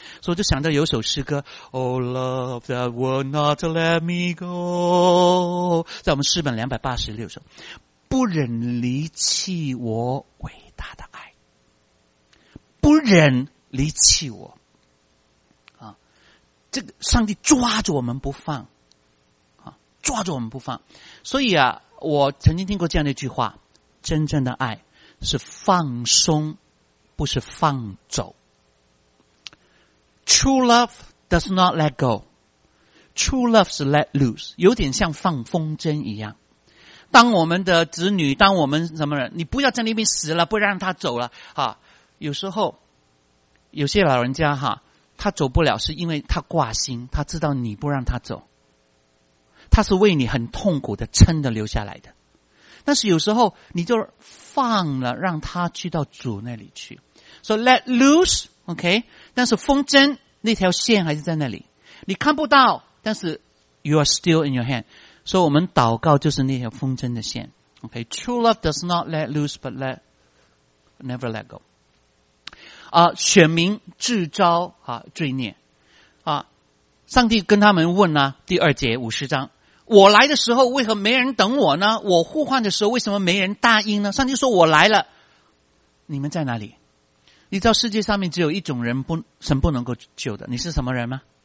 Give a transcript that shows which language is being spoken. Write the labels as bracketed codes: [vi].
[zh] 所以我就想到有首诗歌 Oh love that will not let me go，在我们诗本286首，不忍离弃我伟大的爱，不忍离弃我，这个上帝抓着我们不放，抓着我们不放。所以啊，我曾经听过这样的一句话，真正的爱是放松，不是放走。 [en] True love does not let go， True love 是 let loose， 有点像放风筝一样。 [zh] 当我们的子女，当我们什么人，你不要在那边死了，不让他走了哈。有时候有些老人家哈，他走不了是因为他挂心，他知道你不让他走，他是为你很痛苦的撑着留下来的。但是有时候你就放了，让他去到主那里去。 So let loose, OK? 但是风筝那条线还是在那里，你看不到，但是 you are still in your hand。所以我们祷告就是那条风筝的线。 [en] OK, true love does not let loose, but let never let go. [zh] 选民自招罪孽。上帝跟他们问呢，第二节五十章。我来的时候为何没人等我呢？我呼唤的时候为什么没人答应呢？上帝说我来了，你们在哪里？你知道世界上面只有一种人神不能够救的，你是什么人吗？